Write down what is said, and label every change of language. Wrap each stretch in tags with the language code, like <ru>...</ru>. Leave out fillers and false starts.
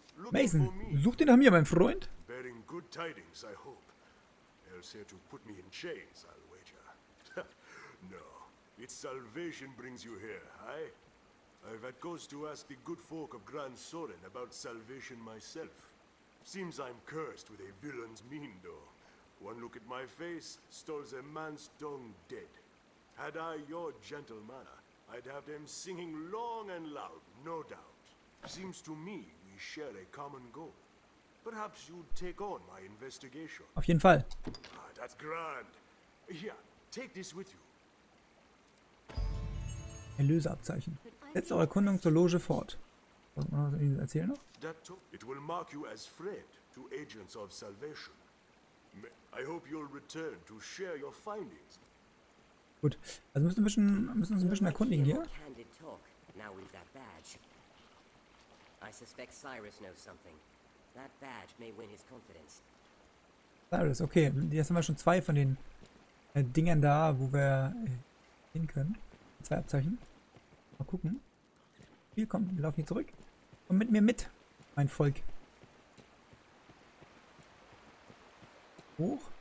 <de>Mason, such den nach mir, mein Freund.</de> <en>No, it's Salvation brings you here, aye? I've had cause to ask the good folk of Grand Sorin about Salvation myself. Seems I'm cursed with a villain's mien, though. One look at my face stalls a man's tongue dead. Had I your gentle manner, I'd have them singing long and loud, no doubt. Seems to me we share a common goal. Perhaps you'd take on my investigation.</en> <de>Auf jeden Fall.</de> <en>Ah, that's grand. Here, take this with you.</en> <de>Erlöseabzeichen. Setzt eure Erkundung zur Loge fort. Was soll ich Ihnen erzählen noch?</de> <en>It will mark you as friend to agents of Salvation. I hope you'll return to share your findings.</en> <de>Gut. Also müssen uns ein bisschen erkundigen hier.</de> <en>Now we've got badge. I suspect Cyrus knows something. That badge may win his confidence. Cyrus, okay.</en> <de>Jetzt haben wir schon zwei von den Dingern da, wo wir hin können. Zwei Abzeichen. Mal gucken. Hier, komm, wir laufen hier zurück. Komm mit mir mit, mein Volk. Hoch.</de>